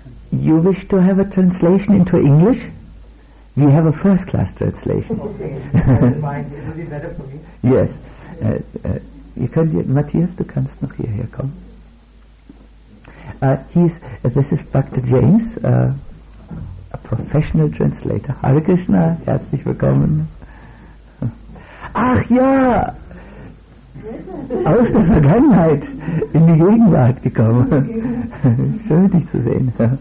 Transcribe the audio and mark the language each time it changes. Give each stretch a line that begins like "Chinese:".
English: You wish to have a translation into English? We have a first-class translation. Okay, I don't mind. It will be better for me. Yes. If
German: könnt ihr, Matthias, du kannst noch hierher kommen.
English: This is Bhakta James, a professional translator.
German: Hare Krishna, herzlich willkommen. Ach ja, aus der Vergangenheit in die Gegenwart gekommen. Schön, dich zu sehen.